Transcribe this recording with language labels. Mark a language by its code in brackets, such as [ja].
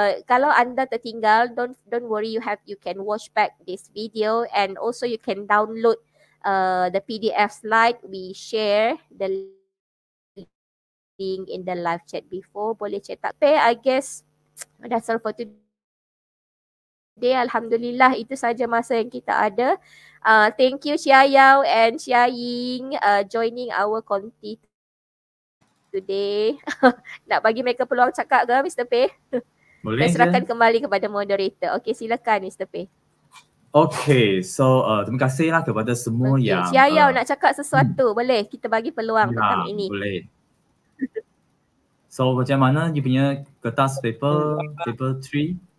[ms] Kalau anda tertinggal, [en] don't worry, you have, you can watch back this video and also you can download the PDF slide. We share the link in the live chat before. [ms] Boleh chat tak? [en] Okay, I guess that's all for today. [ms] Alhamdulillah, itu saja masa yang kita ada. [en] Thank you Chia Yao and Chia Ying joining our conti today. [ms] Nak bagi mereka peluang cakap ke Mr. Pei? Boleh. Saya serahkan kembali kepada moderator. Okay, silakan Mr. Pei. Okay, so terima kasihlah kepada semua okay, yang Chia Yao nak cakap sesuatu. Boleh, kita bagi peluang ya, petang ini. Boleh. So macam mana you punya kertas paper, paper 3?